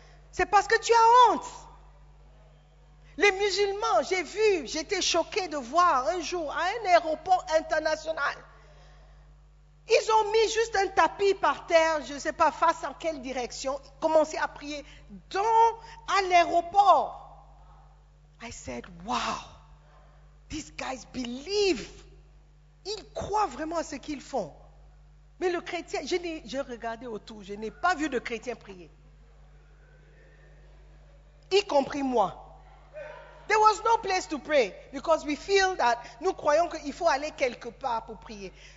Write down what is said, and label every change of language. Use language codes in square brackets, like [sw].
[fr] C'est parce que tu as honte. Les musulmans, j'ai vu, j'étais choquée de voir un jour à un aéroport international. Ils ont mis juste un tapis par terre, je ne sais pas face en quelle direction, commencé à prier dans à l'aéroport. [en] I said, wow, these guys believe. [fr] Ils croient vraiment à ce qu'ils font. Mais le chrétien, je regardais autour, je n'ai pas vu de chrétien prier. Y compris moi. [en] There was no place to pray because we feel that [fr] nous croyons qu'il faut aller quelque part pour prier.